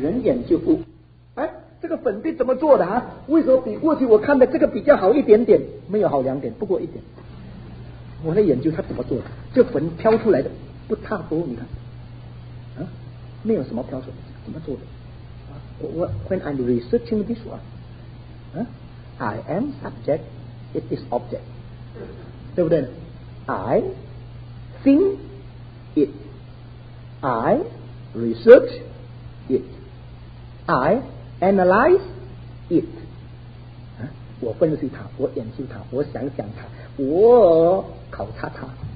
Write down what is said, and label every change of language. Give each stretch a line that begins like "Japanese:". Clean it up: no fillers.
Chinese: 人眼就悟，这个粉笔怎么做的啊？为什么比过去我看的这个比较好一点点？没有好两点，不过一点。我在研究它怎么做的，这粉飘出来的不差不多，你看，没有什么飘出来，怎么做的？我
English: when I'm researching this one, I am subject, it is object,
Chinese: 对不对？
English: I think it, I research it, Ianalyze it、
Chinese: 我分析它，我研究它，我想想它，我考察它。